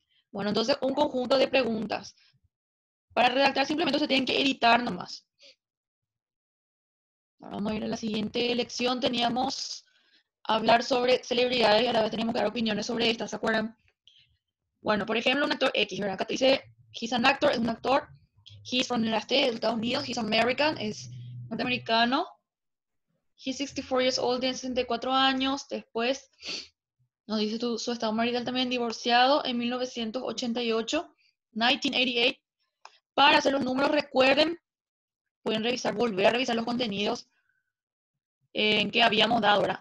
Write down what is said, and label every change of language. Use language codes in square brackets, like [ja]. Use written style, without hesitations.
[es] Bueno, entonces un conjunto de preguntas. Para redactar simplemente se tienen que editar nomás. Ahora vamos a ir a la siguiente lección. Teníamos hablar sobre celebridades y a la vez teníamos que dar opiniones sobre estas, ¿se acuerdan? Bueno, por ejemplo, un actor X, ¿verdad? Acá te dice, [en] he's an actor, [es] es un actor. [en] He's from the United States, Estados Unidos. He's American, [es] es norteamericano. [en] He's 64 years old, [es] tiene 64 años. Después nos dice su estado marital también, divorciado en 1988, 1988. Para hacer los números, recuerden, pueden revisar, volver a revisar los contenidos en que habíamos dado, ¿verdad?